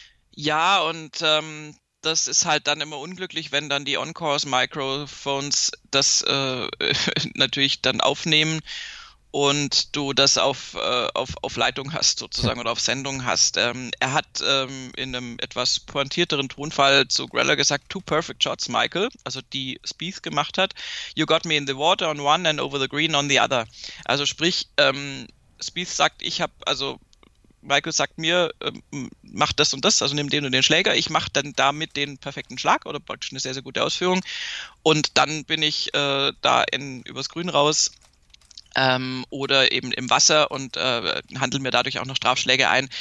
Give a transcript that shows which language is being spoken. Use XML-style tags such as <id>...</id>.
<de>Ja, und das ist halt dann immer unglücklich, wenn dann die On-Course-Microphones das natürlich dann aufnehmen und du das auf Leitung hast sozusagen oder auf Sendung hast. Er hat in einem etwas pointierteren Tonfall zu Greller gesagt,</de> <en>2 perfect shots, Michael,</en> <de>also die Spieth gemacht hat.</de> <en>You got me in the water on one and over the green on the other.</en> <de>Also sprich, Spieth sagt, Michael sagt mir, mach das und das, also nimm den und den Schläger, ich mache dann damit den perfekten Schlag oder praktisch eine sehr, sehr gute Ausführung und dann bin ich übers Grün raus oder eben im Wasser und handle mir dadurch auch noch Strafschläge ein.</de>